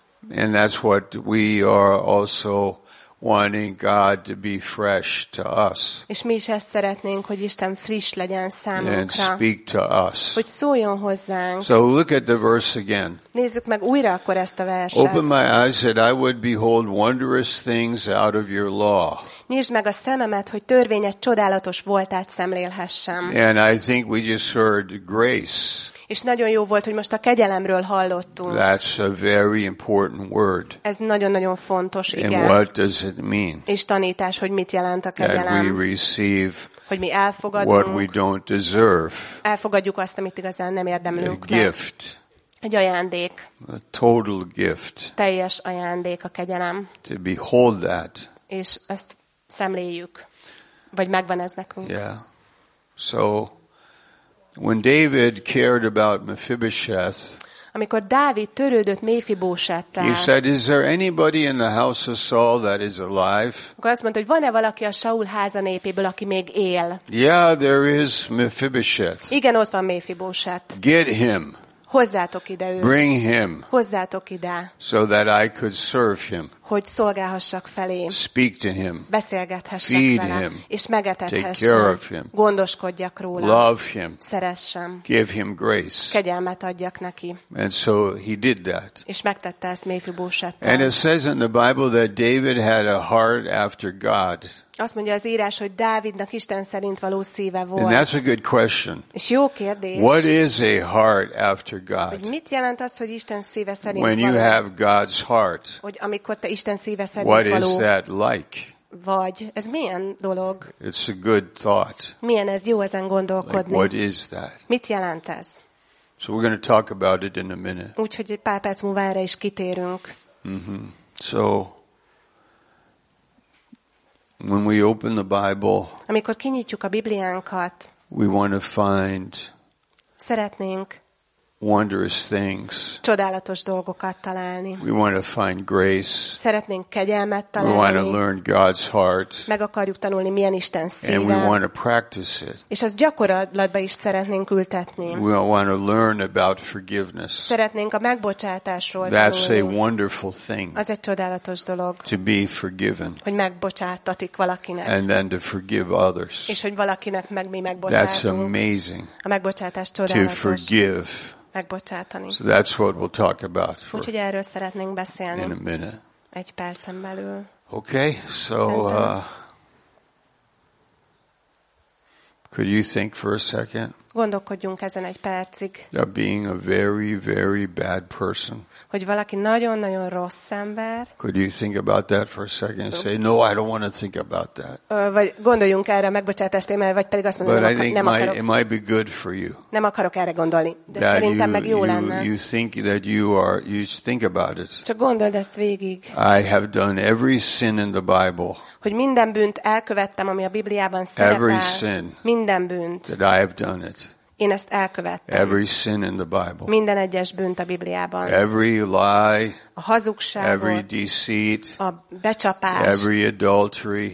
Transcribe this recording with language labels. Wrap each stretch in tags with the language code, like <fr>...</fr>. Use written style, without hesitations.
<en>And that's what we are also wanting God to be fresh to us.</en> <hu>És mi is ezt szeretnénk, hogy Isten friss legyen számunkra.</hu> <en>And speak to us.</en> <hu>Hogy szóljon hozzánk.</hu> <en>So look at the verse again.</en> <hu>Nézzük meg újra akkor ezt a verset.</hu> <en>Open my eyes that I would behold wondrous things out of your law.</en> <hu>Nyisd meg a szememet, hogy törvényed csodálatos voltát szemlélhessem.</hu> <en>And I think we just heard grace.</en> <hu>És nagyon jó volt, hogy most a kegyelemről hallottunk.</hu> <en>That's a very important word.</en> <hu>Ez nagyon-nagyon fontos, igen.</hu> <en>And what does it mean?</en> <hu>És tanítás, hogy mit jelent a kegyelem.</hu> <en>That we receive</en> <hu>hogy mi elfogadunk,</hu> <en>what we don't deserve.</en> <hu>Elfogadjuk azt, amit igazán nem érdemlünk</hu> <en>meg. Gift.</en> <hu>Egy ajándék.</hu> <en>A total gift.</en> <hu>Teljes ajándék a kegyelem.</hu> <en>To behold that.</en> <hu>És ezt szemléljük. Vagy megvan ez nekünk.</hu> <en>Yeah. So, when David cared about Mephibosheth,</en> <hu>amikor Dávid törődött Méfibósettel,</hu> <en>he said, is there anybody in the house of Saul that is alive?</en> <hu>Akkor azt mondta, hogy van-e valaki a Saul háza népéből, aki még él?</hu> <en>Yeah, there is Mephibosheth.</en> <hu>Igen, ott van Méfibósett.</hu> <en>Get him.</en> <hu>Hozzátok ide őt.</hu> <en>Bring him.</en> <hu>Hozzátok ide.</hu> <en>So that I could serve him.</en> <hu>Hogy szolgálhassak felé.</hu> <en>Speak to him.</en> <hu>Beszélgethessek</hu> <en>feed</en> <hu>vele.</hu> <en>Him.</en> <hu>És megetethessem.</hu> <en>Take care of him.</en> <hu>Gondoskodjak róla.</hu> <en>Love him.</en> <hu>Szeressem.</hu> <en>Give him grace.</en> <hu>Kegyelmet adjak neki.</hu> <en>And so he did that.</en> <hu>És megtette ezt Méfibósettel.</hu> <en>And it says in the Bible that David had a heart after God.</en> <hu>Azt mondja az írás, hogy Dávidnak Isten szerint való szíve volt.</hu> <en>And that's a good question.</en> <hu>És jó kérdés.</hu> <en>What is a heart after God?</en> <hu>Hogy mit jelent az, hogy Isten szíve szerint való?</hu> <en>When you have God's heart.</en> <hu>Hogy amikor te Isten szíve szerint</hu> <en>what</en> <hu>való.</hu> <en>Is that like?</en> <hu>Vagy ez milyen dolog?</hu> <en>It's a good thought.</en> <hu>Milyen ez jó ezen gondolkodni?</hu> <en>Like, what is that?</en> <hu>Mit jelent ez?</hu> <en>So we're going to talk about it in a minute.</en> <hu>Úgyhogy egy pár perc múlva erre is kitérünk.</hu> <en>Mm-hmm. So when we open the Bible,</en> <hu>amikor kinyitjuk a Bibliánkat,</hu> <en>we want to find</en> <hu>szeretnénk</hu> <en>wondrous things.</en> <hu>Csodálatos dolgokat találni.</hu> <en>We want to find grace.</en> <hu>Szeretnénk kegyelmet találni.</hu> <en>We want to learn God's heart.</en> <hu>Meg akarjuk tanulni, milyen Isten szíve.</hu> <en>And we want to practice it.</en> <hu>És ezt gyakorlatba is szeretnénk ültetni.</hu> <en>We want to learn about forgiveness.</en> <hu>Szeretnénk a megbocsátásról tanulni.</hu> <en>That's a wonderful thing.</en> <hu>Az egy csodálatos dolog.</hu> <en>To be forgiven.</en> <hu>Hogy megbocsátatik valakinek.</hu> <en>And then to forgive others.</en> <hu>És hogy valakinek meg mi megbocsátunk.</hu> <en>That's amazing.</en> <hu>A megbocsátás csodálatos.</hu> <en>To forgive. So that's what we'll talk about.</en> <hu>Úgyhogy erről szeretnénk beszélni.</hu> <en>In a minute.</en> <hu>Egy percen belül.</hu> <en>Okay, so could you think for a second?</en> <hu>Gondolkodjunk ezen egy percig.</hu> <en>That being a very, very bad person.</en> <hu>Hogy valaki nagyon-nagyon rossz ember.</hu> <en>Could you think about that for a second? Say, no, I don't want to think about that.</en> <hu>Vagy gondoljunk erre a megbocsátás témára, vagy pedig azt mondom,</hu> <en>but</en> <hu>nem,</hu> <en>it might be good for you.</en> <hu>Nem akarok erre gondolni, de szerintem meg jó lenne.</hu> <en>You think that you think about it.</en> <hu>Csak gondold ezt végig.</hu> <en>I have done every sin in the Bible.</en> <hu>Hogy minden bűnt elkövettem, ami a Bibliában szerepel.</hu> <en>Every sin.</en> <hu>Minden bűnt.</hu> <en>That I have done it.</en> <hu>Én ezt elkövettem.</hu> <en>Every sin in the Bible.</en> <hu>Minden egyes bűnt a Bibliában.</hu> <en>Every lie.</en> <hu>A hazugságot.</hu> <en>Every deceit.</en> <hu>A becsapást.</hu> <en>Every adultery.</en>